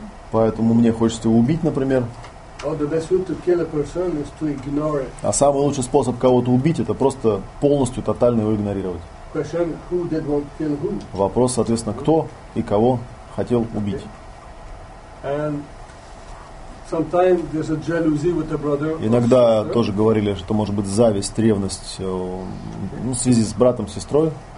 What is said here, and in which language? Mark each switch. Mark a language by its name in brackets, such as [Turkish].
[Russian] Поэтому мне хочется его убить, например. [English] Oh, the best way to kill a person is to ignore it. [Russian] А самый лучший способ кого-то убить – это просто полностью, тотально его игнорировать. [English] Question, who did want to kill who? [Russian] Вопрос, соответственно, кто и кого хотел убить. [English] And sometimes there's a jealousy with a brother. [Russian] Иногда тоже говорили, что может быть зависть, ревность, ну, в связи с братом, сестрой.